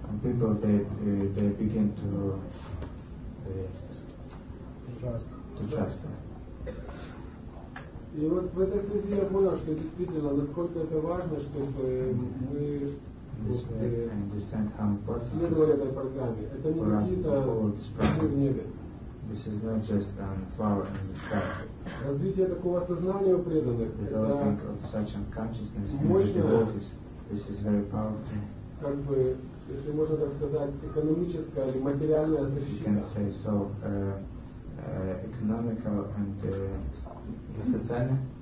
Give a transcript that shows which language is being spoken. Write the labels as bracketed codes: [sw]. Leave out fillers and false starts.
[en] And people they begin to trust. [ru] И вот в этой связи я понял, что действительно, насколько это важно, чтобы мы следовали этой программе. Это не какие-то в небе. [en] This is not just a flower in the sky. [ru] Развитие такого сознания у преданных. [en] Developing of such unconsciousness in the devotees. This is very powerful. [ru] Как бы, если можно так сказать, экономическая или материальная защита. [en] You can say so. [ru] Экономика и социальная?